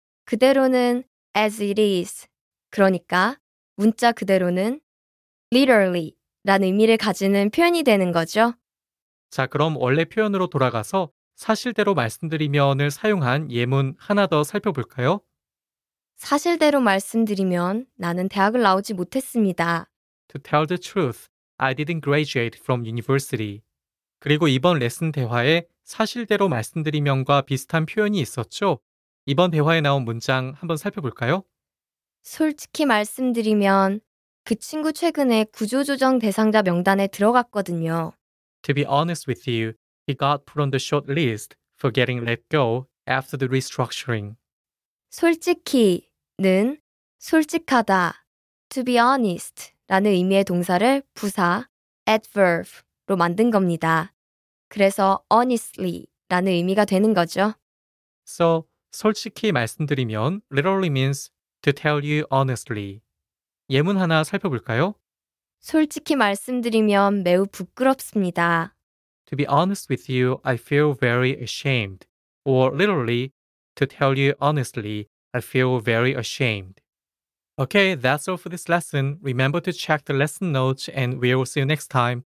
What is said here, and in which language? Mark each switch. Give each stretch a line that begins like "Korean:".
Korean: 그대로는
English: as it is.
Korean: 그러니까 문자 그대로는 literally. 라는 의미를 가지는 표현이 되는 거죠. 자, 그럼 원래 표현으로 돌아가서 사실대로 말씀드리면을 사용한 예문 하나 더 살펴볼까요? 사실대로 말씀드리면 나는 대학을 나오지 못했습니다.
English: To tell the truth, I didn't graduate from university.
Korean: 그리고 이번 레슨 대화에 사실대로 말씀드리면과 비슷한 표현이 있었죠? 이번 대화에 나온 문장 한번 살펴볼까요? 솔직히 말씀드리면 그 친구 최근에 구조조정 대상자 명단에 들어갔거든요.
English: To be honest with you, he got put on the short list for getting let go after the restructuring.
Korean: 솔직히는 솔직하다,
English: to be honest
Korean: 라는 의미의 동사를 부사, adverb로 만든 겁니다. 그래서 honestly라는 의미가 되는 거죠.
English: So,
Korean: 솔직히 말씀드리면
English: literally means to tell you honestly.
Korean: 예문 하나 살펴볼까요? 솔직히 말씀드리면 매우 부끄럽습니다.
English: To be honest with you, I feel very ashamed. Or literally, to tell you honestly, I feel very ashamed. Okay, that's all for this lesson. Remember to check the lesson notes and we will see you next time.